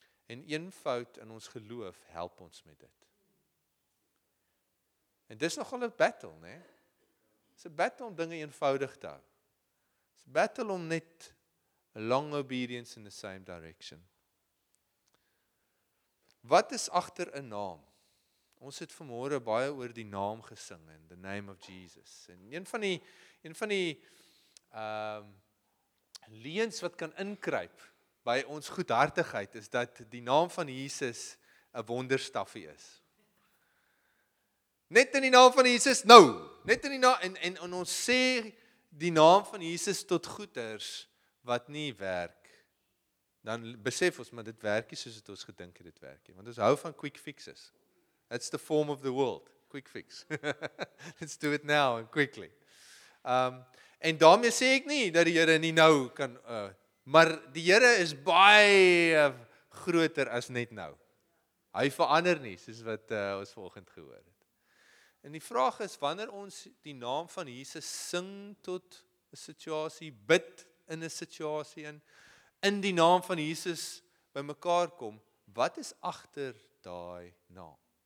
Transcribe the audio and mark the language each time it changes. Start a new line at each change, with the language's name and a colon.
Afrikaans: En een fout in ons geloof help ons met dit. En dis nogal 'n battle, né? Dis 'n battle om dinge eenvoudig te hou. Dis 'n battle om net
English: a long obedience in the same direction.
Afrikaans: Wat is agter 'n naam? Ons het vanmôre baie oor die naam gesing,
English: in the name of Jesus.
Afrikaans: En een van die leens wat kan inkruip by ons goedhartigheid is dat die naam van Jesus 'n wonderstafie is. Net in die naam van Jesus nou, net in die naam en ons sê die naam van Jesus tot goeders wat nie werk, dan besef ons, maar dit werk nie soos het ons gedink het, dit werk nie, want ons hou van quick fixes.
English: That's the form of the world, quick fix. Let's do it now and quickly.
Afrikaans: En daarmee sê ek nie, dat die Here nie nou kan, maar die Here is baie groter as net nou. Hy verander nie, soos wat ons volgend gehoor het. En die vraag is, wanneer ons die naam van Jesus sing tot een situasie, bid, in een situasie en in die naam van Jesus by mekaar kom, wat is agter daai naam?